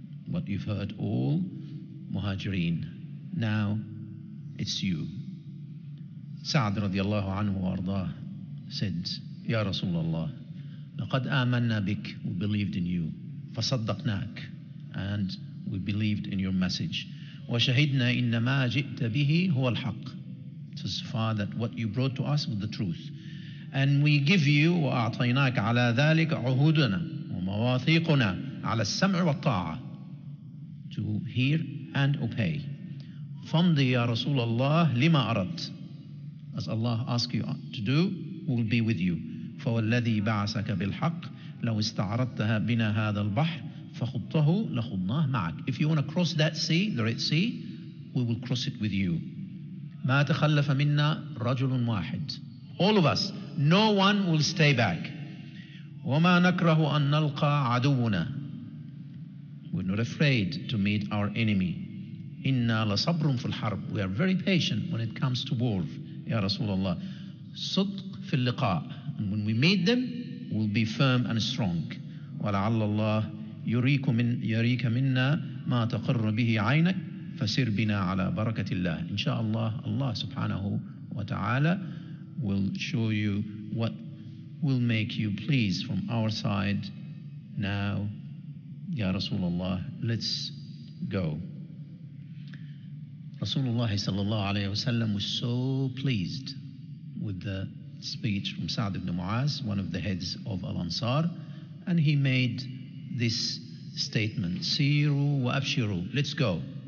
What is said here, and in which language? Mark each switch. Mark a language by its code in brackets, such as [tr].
[en] What you've heard all, Muhajireen, now it's you. Sa'd radiallahu anhu ardah said, Ya Rasulullah, [ar] لقد آمنا بك, [en] we believed in you, [ar] فصدقناك, [en] and we believed in your message. [ar] وشهدنا إنما جئت به هو الحق. [en] Testify that what you brought to us was the truth. And we give you, [ar] وأعطيناك على ذلك عهودنا ومواثيقنا على السمع والطاعة, [en] to hear and obey. [ar] فمضي يا رسول الله لما أردت. [en] As Allah asks you to do, we'll be with you. [ar] فوالذي بعثك بالحق لو استعرضت بنا هذا البحر فخضته لخضناه معك. [en] If you want to cross that sea, the Red Sea, we will cross it with you. [ar] ما تخلف منا رجل واحد. [en] All of us, no one will stay back. [ar] وما نكره أن نلقى عدونا. [en] We're not afraid to meet our enemy. [ar] إنا لصبر في الحرب. [en] We are very patient when it comes to war, [ar] يا رسول الله. صدق في اللقاء. [en] And when we meet them, we'll be firm and strong. [ar] ولعل الله يريك منا ما تقر به عينك فسير بنا على بركة الله. [en] Inshallah, Allah subhanahu wa ta'ala will show you what will make you pleased from our side. Now, Ya Rasulullah, let's go. Rasulullah sallallahu alayhi wa sallam was so pleased with the speech from Sa'd ibn Mu'az, one of the heads of Al-Ansar, and he made this statement, Siru wa Afshiru, let's go.